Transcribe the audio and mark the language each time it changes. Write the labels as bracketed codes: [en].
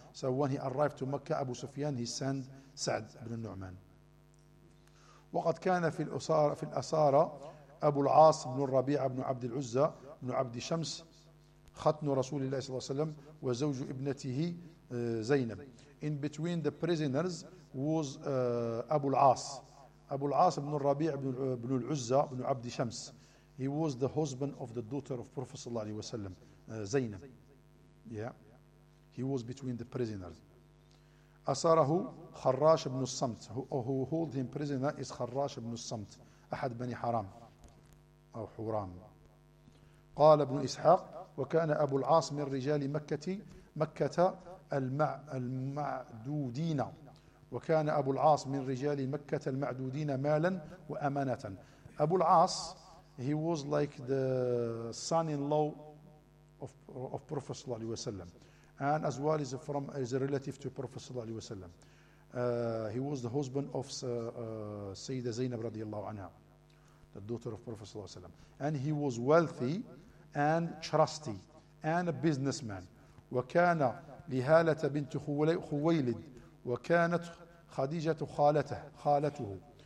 [en] So when he arrived to Mecca, أبو سفيان, he send سعد بن النعمان. [ar] وقد كان في الأسارة أبو العاص بن الربيع بن عبد العزة بن عبد شمس ختن رسول الله صلى الله عليه وسلم وزوج ابنته زينب. [en] In between the prisoners was Abu al-As. Abu al-As ibn al-Rabi' ibn al-Uzza ibn Abd Shams. He was the husband of the daughter of Prophet sallallahu alayhi wa sallam, Zainab. Yeah. He was between the prisoners. [ar] Asarahu [en] Kharrash ibn al-Samt. Who hold him prisoner is Kharrash ibn al-Samt. [ar] Ahad bani Haram. Or Huram. Qala ibn Ishaq. Wa kana Abu al-As min rijali Makkata. المعدودين وكان أبو العاص من رجال مكة المعدودين مالا وأمانة. [en] أبو العاص, he was like the son-in-law of Prophet صلى الله عليه وسلم, and as well as from as a relative to Prophet صلى الله عليه وسلم. He was the husband of سيدة زينب رضي الله عنها, the daughter of Prophet صلى الله عليه وسلم, and he was wealthy and trusty and a businessman. [ar] وكان لهالة بنت خويلد وكانت خديجة خالته.